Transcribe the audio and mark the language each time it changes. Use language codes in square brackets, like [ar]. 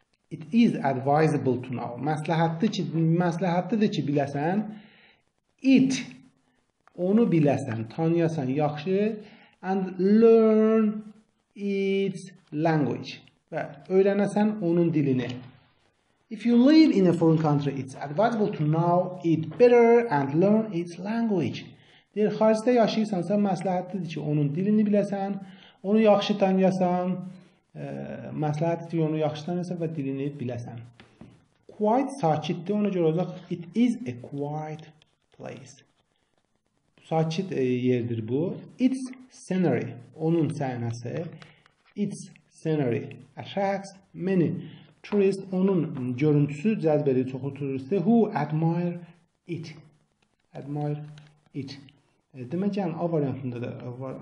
[en] It is advisable to know. [az] Məsləhətlidir ki, biləsən, [en] it, [az] onu biləsən, tanıyasan yaxşı, [en] and learn its language. [az] Və öyrənəsən onun dilini. [en] If you live in a foreign country, it's advisable to know it better and learn its language. [az] Deyir, xaricdə yaşayırsansa, məsləhətlidir ki, onun dilini biləsən, onu yaxşı tanıyasan, məsləhətlidir ki, onu yaxşı tanıyasan və dilini biləsən. [en] Quite [az] sakitdir, ona görə olacaq, [en] it is a quiet place. [az] Sakit yerdir bu. [en] Its scenery, [az] onun səhnəsi. [en] Its scenery attracts many tourists, [az] onun görüntüsü cəzb edir çoxlu turisti. [en] Who admire it. Admire it. [az] Demək ki, A variantında da var.